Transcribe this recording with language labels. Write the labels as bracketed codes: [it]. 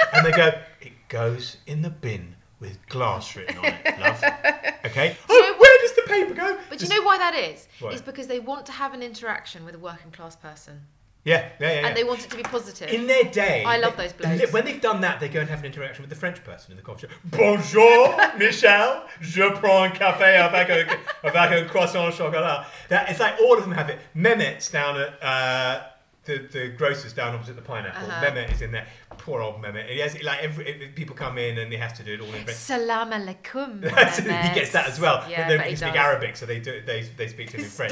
[en] And they go, it goes in the bin with glass written on it, love. Okay? Where does the paper go? But do you know why that is? What? It's because they want to have an interaction with a working class person. Yeah. And they want it to be positive. In their day... I love those blokes. When they've done that, they go and have an interaction with the French person in the coffee shop. [fr] Bonjour, Michel. Je prends un café avec un croissant au chocolat. [en] That, it's like all of them have it. Mehmet down at... The grocer's down opposite the pineapple. Uh-huh. Mehmet is in there. Poor old Mehmet. He has, like, people come in and he has to do it all in French. [ar] Salam alaikum. [en] He gets that as well. Yeah, but they speak Arabic, so they speak to him in French.